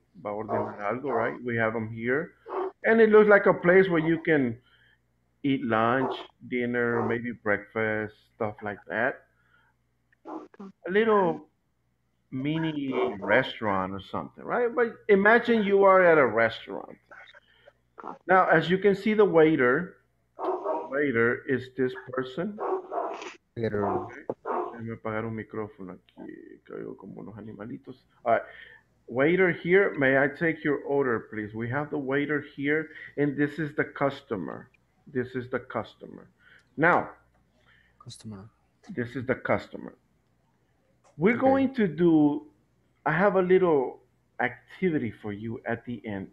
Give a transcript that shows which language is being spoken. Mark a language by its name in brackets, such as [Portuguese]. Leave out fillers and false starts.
[Spanish] Va a ordenar algo, [English] right? We have them here. And it looks like a place where you can eat lunch, dinner, maybe breakfast, stuff like that. A little mini restaurant or something, right? But imagine you are at a restaurant. Now, as you can see, the waiter is this person. [Spanish] Me apagar un micrófono aquí, que oigo como unos animalitos. [English] All right. Waiter here, may I take your order, please? We have the waiter here, and this is the customer. This is the customer. Now, customer. This is the customer. We're okay. Going to do, I have a little activity for you at the end.